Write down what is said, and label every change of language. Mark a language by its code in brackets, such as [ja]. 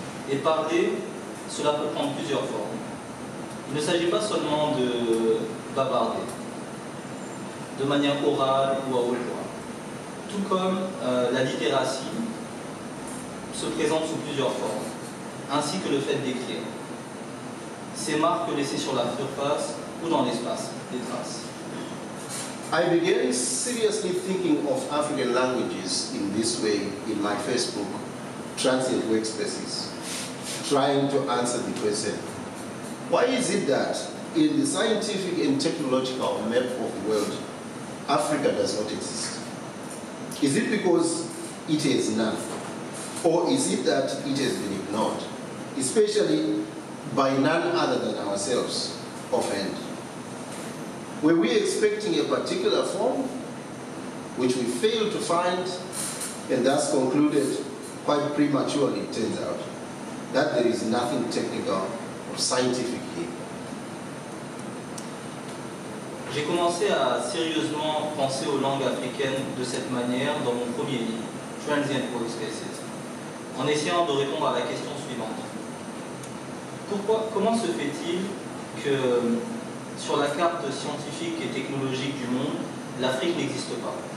[fr] Et parler, cela peut prendre plusieurs formes. Il ne s'agit pas seulement de bavarder, de manière orale ou à haute voix. Tout comme la littératie se présente sous plusieurs formes, ainsi que le fait d'écrire. Ces marques laissées sur la surface ou dans l'espace, des traces. [en] I began seriously thinking of African languages in this way in my first book, Transient Workspaces, trying to answer the question, why is it that in the scientific and technological map of the world, Africa does not exist? Is it because it has none? Or is it that it has been ignored, especially by none other than ourselves, offhand? Were we expecting a particular form, which we failed to find, and thus concluded quite prematurely, it turns out, that there is nothing technical scientifically. [fr] J'ai commencé à sérieusement penser aux langues africaines de cette manière dans mon premier livre, Transient Voice Spaces, en essayant de répondre à la question suivante. Comment se fait-il que sur la carte scientifique et technologique du monde, l'Afrique n'existe pas?